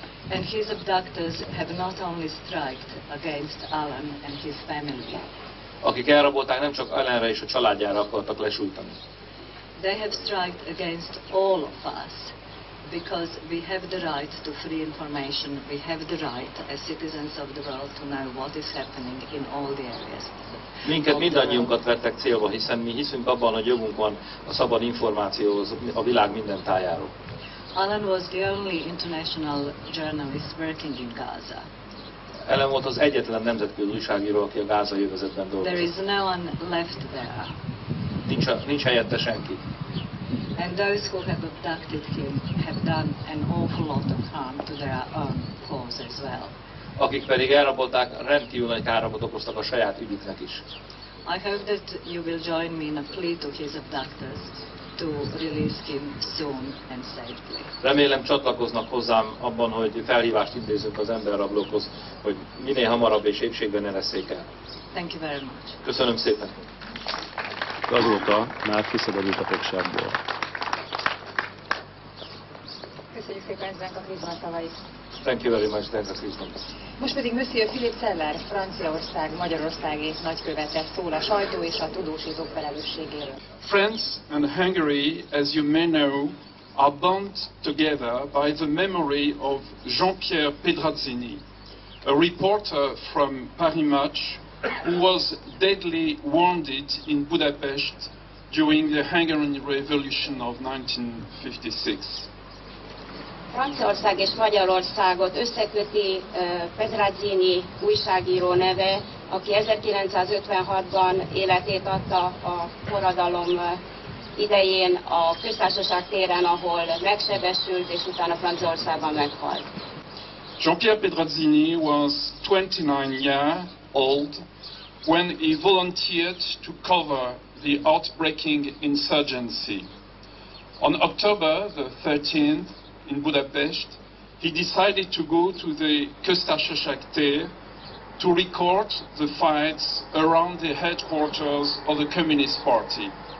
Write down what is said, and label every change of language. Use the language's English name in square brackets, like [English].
[English] And his abductors have not only striked against Alan and his family. [Hungarian] Akik elrabolták, nem csak Ellenre és a családjára akartak lesújtani. [English] They have striked against all of us, because we have the right to free information, we have the right as citizens of the world to know what is happening in all the areas. [Hungarian] Minket mindannyiunkat vettek célba, hiszen mi hiszünk abban, hogy jogunk van a szabad információhoz a világ minden tájáról. [English] Alan was the only international journalist working in Gaza. [Hungarian] Ellen volt az egyetlen nemzetközi újságíró, aki a gázai övezetben dolgozott. [English] There is no one left there. [Hungarian] Nincs helyette senki. [English] And those who have abducted him have done an awful lot of harm to their own cause as well. [Hungarian] Akik pedig elrabolták, rendkívül nagy káromot okoztak a saját ügyüknek is. [English] I hope that you will join me in a plea to his abductors to release him soon and safely. [Hungarian] Remélem csatlakoznak hozzám abban, hogy felhívást intézünk az emberrablókhoz, hogy minél hamarabb és épségben ereszék el. [English] Thank you very much. [Hungarian] Köszönöm szépen. Azóta már kiszabadult a fogságból. Köszönjük szépen, Zdenka Krizman. [English] Thank you very much, Zdenka Krizman. [Hungarian] Most pedig Monsieur Philippe Feller, Franciaország, Magyarország és nagykövete szól a sajtó és a tudósítók felelősségéről. [English] France and Hungary, as you may know, are bound together by the memory of Jean-Pierre Pedrazzini, a reporter from Paris Match, who was deadly wounded in Budapest during the Hungarian Revolution of 1956. [Hungarian] Franciaország és Magyarországot összeköti Pedrazzini újságíró neve, aki 1956-ban életét adta a forradalom idején a köztársaság téren, ahol megsebesült, és utána Franciaországban meghalt. [English] Jean-Pierre Pedrazzini was 29 years old when he volunteered to cover the outbreaking insurgency. On October the 13th in Budapest, he decided to go to the Köztársaság tér to record the fights around the headquarters of the Communist Party.